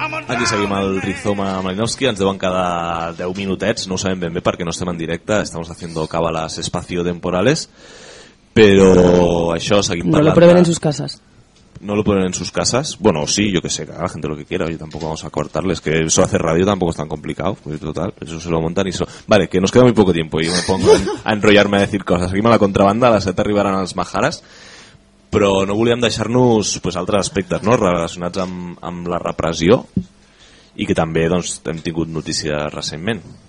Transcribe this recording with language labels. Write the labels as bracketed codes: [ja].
[ca] Aquí seguim el Rizoma Malinowski, ens deuen quedar 10 minutets, no ho sabem ben bé perquè no estem en directe, [es] estamos haciendo cábalas espaciotemporales, [ca] però això, seguim parlant... [es] No lo prueben en sus casas. No lo prueben en sus casas, bueno, sí, yo que sé, que haga la gente lo que quiera, yo tampoco vamos a cortarles, que eso hace radio tampoco es tan complicado, pues total, eso se lo montan y eso... Vale, que nos queda muy poco tiempo y me pongo a enrollarme a decir cosas. [ca] Seguim a la contrabanda, a les 7 arribaran els Majares. Però no volíem deixar-nos pues, altres aspectes, no?, relacionats amb la repressió i que també doncs, hem tingut notícia recentment.